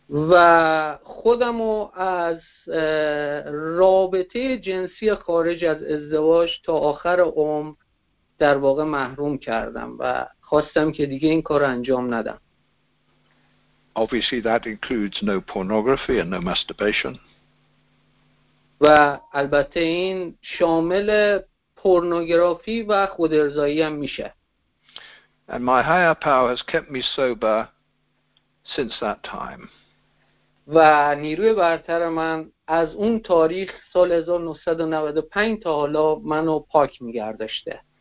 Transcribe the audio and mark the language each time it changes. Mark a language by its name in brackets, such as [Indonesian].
[Persian] و خودمو از رابطه جنسی خارج از ازدواج تا آخر عمر در واقع محروم کردم و خواستم که دیگه این کار انجام ندم. [English] Obviously that includes no pornography and no masturbation. [Persian] و البته این شامل پورنوگرافی و خودارضایی هم میشه. [English] And my higher power has kept me sober since that time. [Persian] و نیروی برتر من از اون تاریخ سال 1995 تا حالا منو پاک می‌گردشته.